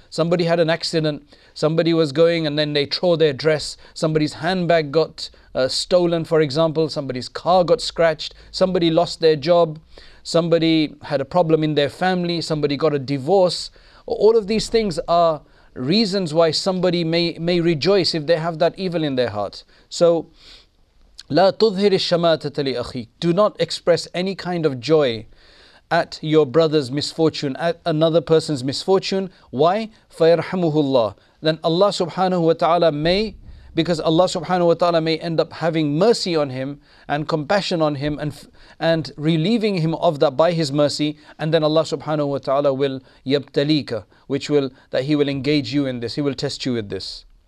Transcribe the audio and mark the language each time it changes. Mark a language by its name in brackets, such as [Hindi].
[English] Somebody had an accident, somebody was going and then they throw their dress, somebody's handbag got stolen, for example, somebody's car got scratched, somebody lost their job, somebody had a problem in their family, somebody got a divorce. All of these things are reasons why somebody may rejoice if they have that evil in their heart. [Arabic] So, لا تظهر الشماتة لأخيك. [English] Do not express any kind of joy at your brother's misfortune, at another person's misfortune. Why? [Arabic] فَيَرْحَمُهُ اللَّهُ. [English] Then Allah subhanahu wa ta'ala may, because Allah subhanahu wa ta'ala may end up having mercy on him and compassion on him and relieving him of that by his mercy, and then Allah subhanahu wa ta'ala will yabtalika, which will, that he will engage you in this, he will test you with this.